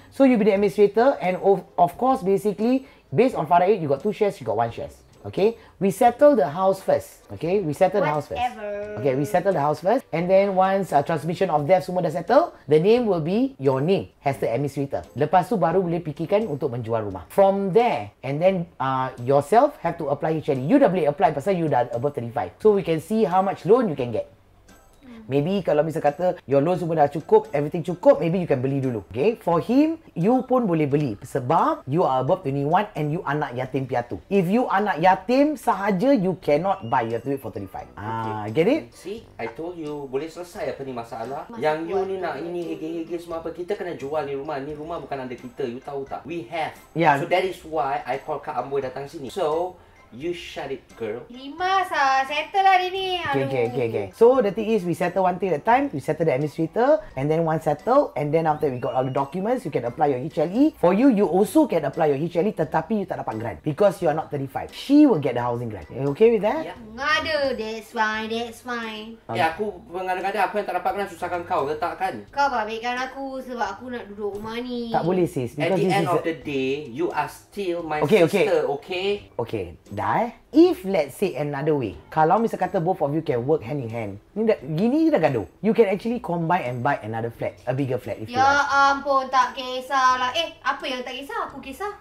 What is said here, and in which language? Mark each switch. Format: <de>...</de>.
<en>So, you be the administrator and of course, basically, based on Farahid, you got 2 shares, you got 1 shares. Okay? We settle the house first. Okay? We settle the house first. Whatever. Okay, we settle the house first. And then, once transmission of death</en> <ms>semua dah settle,</ms> <en>the name will be your name as the administrator.</en> <ms>Lepas tu, baru boleh fikirkan untuk menjual rumah.</ms> <en>From there, and then, yourself have to apply HDB. You</en> <ms>dah boleh</ms> <en>apply pasal you dah above 35. So, we can see how much loan you can get.</en> <ms>Maybe kalau misal kata</ms> <en>your loan</en> <ms>semua dah cukup, everything cukup, maybe you can beli dulu.</ms> <en>Okay, for him, you</en> <ms>pun boleh beli sebab</ms> <en>you are above 21 and you</en> <ms>anak yatim piatu.</ms> <en>If you</en> <ms>anak yatim sahaja,</ms> <en>you cannot buy. You have to wait for 35. Okay. Get it? See, I told you,</en> <ms>boleh selesai apa ni masalah. Yang you ni nak ini hege-hege semua apa, kita kena jual ni rumah. Ni rumah bukan</ms> <en>under kita, you tahu tak? We have. Yeah. So that is why I call Kak Amboi datang sini. So, you shut it, girl.</en> <ms>Limas lah. Settle lah dia ni.</ms> <en>Okay. So, the thing is, we settle one thing at a time. We settle the administrator. And then once settle, and then after we got all the documents, you can apply your HLE. For you, you also can apply your HLE.</en> <ms>Tetapi, you tak dapat grant.</ms> <en>Because you are not 35. She will get the housing grant. Are you okay with that? Yeah. Ngada. That's fine.</en> <ms>Okay. Eh, aku mengada-ngada. Aku yang tak dapat grant, susahkan kau. Letak kan? Kau babikkan aku sebab aku nak duduk rumah ni. Tak boleh, sis.</ms> <en>At the end of the day, you are still my sister, okay?</en> <ms>Dah, eh?</ms> <en>If let's say another way,</en> <ms>kalau misal kata</ms> <en>both of you can work hand in hand,</en> <ms>gini dah gaduh,</ms> <en>you can actually combine and buy another flat, a bigger flat if ya you like.</en> <ms>Ya ampun, tak kisahlah. Apa yang tak kisah? Aku kisah.</ms>